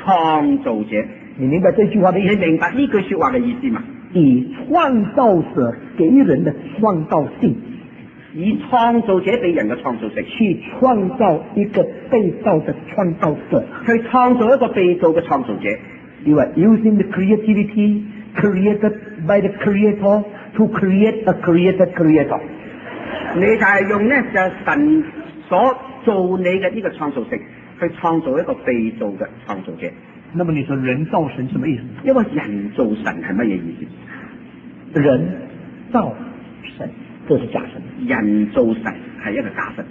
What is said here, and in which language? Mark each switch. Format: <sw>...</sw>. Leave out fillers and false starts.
<zh>创造者，你明白这句话的意思？你明白这句话的意思吗？以创造者给人的创造性，以创造者给人的创造性去创造一个被造的创造者，去创造一个被造的创造者。</zh> <en>You are using the creativity created by the creator to create a created creator。</en> <zh>你就是用呢就神所做你的这个创造性去创造一个被造的创造者。那么你说人造神什么意思？因为人造神是什么意思？人造神这是假神，人造神是一个假神。</zh>